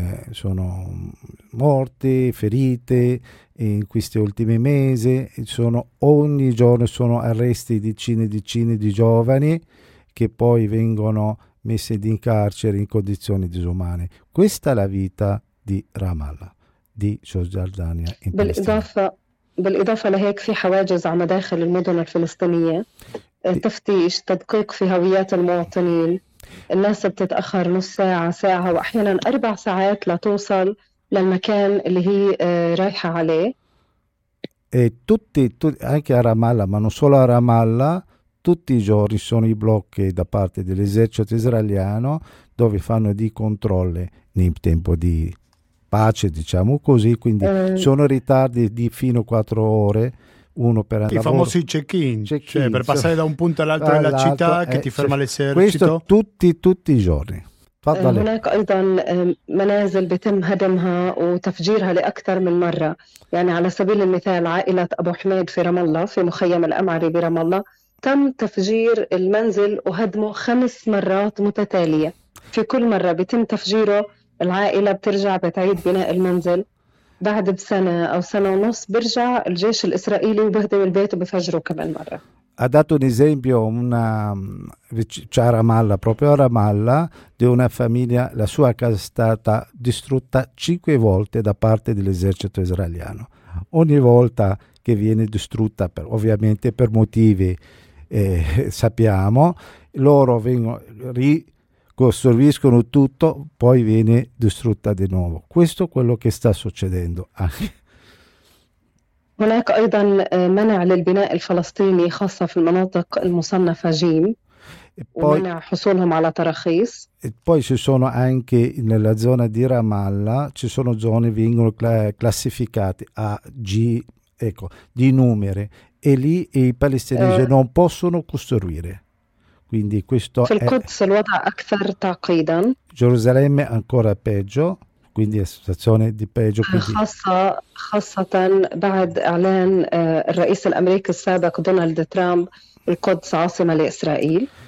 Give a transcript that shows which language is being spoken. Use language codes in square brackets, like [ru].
[it] sono morte, ferite in questi ultimi mesi. Sono, ogni giorno sono arresti decine e decine di giovani che poi vengono messi in carcere in condizioni disumane. Questa è la vita di Ramallah, di Cisgiordania in Palestina. [ar] بالإضافة لهيك في حواجز على مداخل المدن الفلسطينية تفتيش تدقيق في هويات المواطنين الناس بتتأخر نص ساعة ساعة وأحيانا أربع ساعات لتوصل للمكان اللي هي رايحة عليه [it] e tutti anche a Ramallah ma non solo a Ramallah tutti i giorni sono i blocchi da parte dell'esercito israeliano dove fanno dei controlli nel tempo di pace, diciamo così, quindi sono ritardi di fino a 4 ore, uno per andare. I famosi check-in, cioè per passare da un punto all'altro della città che ti ferma l'esercito. Questo tutti i giorni. [ar] هناك أيضا منازل بتم هدمها وتفجيرها لأكثر من مرة. يعني على سبيل المثال عائلة أبو حميد في رام الله في مخيم الأمعري برام الله تم تفجير المنزل وهدمه 5 مرات متتالية. في كل مرة بتم تفجيره العائلة بترجع بتعيد بناء المنزل بعد بسنة أو سنة ونص برجع الجيش الإسرائيلي وبهدم البيت وبفجره كمان مرة. [it] Ha dato un esempio, una a Ramallah, proprio a Ramallah, di una famiglia, la sua casa è stata distrutta 5 volte da parte dell'esercito israeliano. Ogni volta che viene distrutta, ovviamente per motivi sappiamo, loro ricostruiscono tutto, poi viene distrutta di nuovo. Questo è quello che sta succedendo anche. [ar] هناك أيضا منع للبناء الفلسطيني خاصة في المناطق المصنفة جيم [it] poi, [ar] ومنع حصولهم على تراخيص. [it] Poi ci sono anche nella zona di Ramallah ci sono zone vengono classificate a G, ecco, di numeri e lì i palestinesi non possono costruire. Quindi questo [ar] في القدس الوضع أكثر تعقيدا. [it] Gerusalemme ancora peggio. Quindi è situazione di peggio. [ar] خاصةً بعد إعلان الرئيس الأمريكي السابق دونالد ترامب القدس عاصمة لإسرائيل.